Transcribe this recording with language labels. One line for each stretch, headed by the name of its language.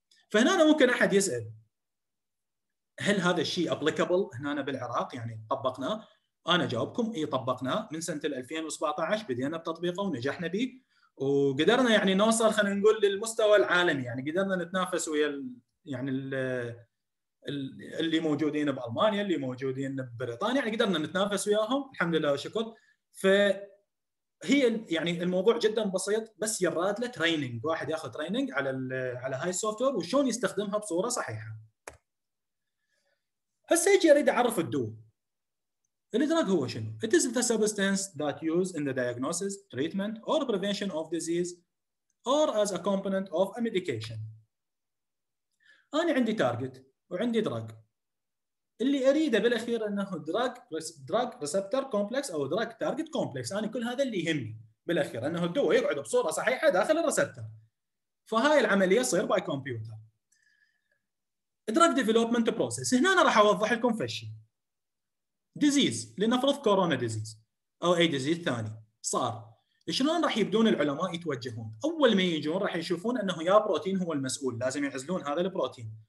Arabic: فهنا ممكن احد يسال هل هذا الشيء ابليكابل هنا بالعراق؟ يعني طبقناه؟ انا جاوبكم اي طبقناه، من سنه 2017 بدينا بتطبيقه ونجحنا به، وقدرنا يعني نوصل خلينا نقول للمستوى العالمي، يعني قدرنا نتنافس ويا يعني اللي موجودين بألمانيا، اللي موجودين ببريطانيا، يعني قدرنا نتنافس وياهم الحمد لله وشكر. فهي يعني الموضوع جدا بسيط، بس يراد له تريننج، واحد ياخذ تريننج على هاي السوفتوير وشون يستخدمها بصوره صحيحه. هسه يجي اريد اعرف الدو. الدراج هو شنو؟
English: It is the substance that used in the diagnosis, treatment or prevention of disease or as a component of a medication.
Arabic: انا عندي تارجت وعندي دراج. اللي اريده بالاخير انه دراج ريسبتر كومبلكس او دراج تارجت كومبلكس، انا كل هذا اللي يهمني بالاخير انه الدواء يقعد بصوره صحيحه داخل الريسبتر. فهاي العمليه تصير باي كمبيوتر. دراج ديفلوبمنت بروسيس، هنا انا راح اوضح لكم فشي ديزيز، لنفرض كورونا ديزيز او اي ديزيز ثاني صار، شلون راح يبدون العلماء يتوجهون؟ اول ما يجون راح يشوفون انه يا بروتين هو المسؤول، لازم يعزلون هذا البروتين.